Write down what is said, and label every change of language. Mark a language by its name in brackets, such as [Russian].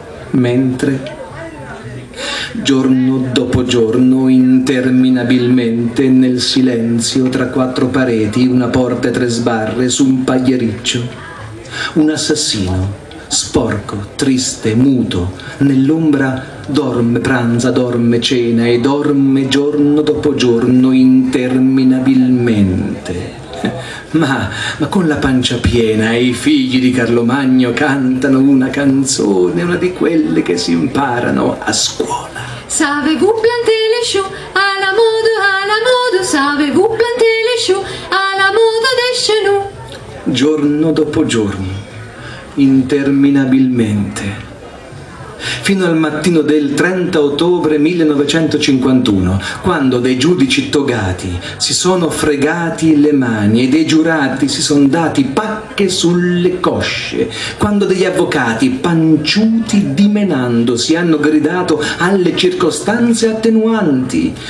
[Italian] Mentre, giorno dopo giorno, interminabilmente, nel silenzio, tra quattro pareti, una porta e tre sbarre, su un pagliericcio, un assassino, sporco, triste, muto, nell'ombra, dorme, pranza, dorme, cena e dorme giorno dopo giorno, interminabilmente. Ma con la pancia piena, e i figli di Carlo Magno cantano una canzone, una di quelle che si imparano a scuola. [French] Savez-vous planter les choux à la mode, savez-vous planter les choux à la mode de chez nous? [Italian] Giorno dopo giorno, interminabilmente. fino al mattino del 30 ottobre 1951, quando dei giudici togati si sono fregati le mani e dei giurati si sono dati pacche sulle cosce, quando degli avvocati panciuti dimenandosi hanno gridato alle circostanze attenuanti,